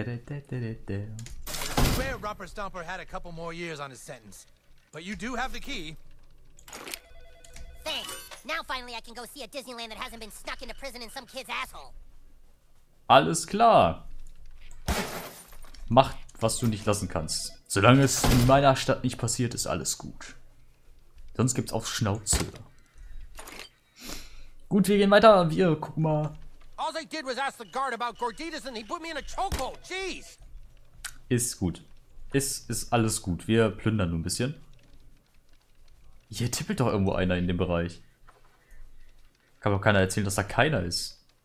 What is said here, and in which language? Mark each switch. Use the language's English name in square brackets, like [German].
[English] I swear Rupper Stomper had a couple more years on his sentence. But you do have the key. Thanks. Now finally I can go see a Disneyland that hasn't been stuck into prison in some kid's asshole. [German] Alles klar. Mach, was du nicht lassen kannst. Solange es in meiner Stadt nicht passiert, ist alles gut. Sonst gibt's auch Schnauze. Gut, wir gehen weiter. Wir gucken mal. [English] All I did was ask the guard about Gorditas and he put me in a chokehold. Jeez. [German] Ist gut. Ist alles gut. Wir plündern nur ein bisschen. Hier tippelt doch irgendwo einer in dem Bereich. Kann doch keiner erzählen, dass da keiner ist.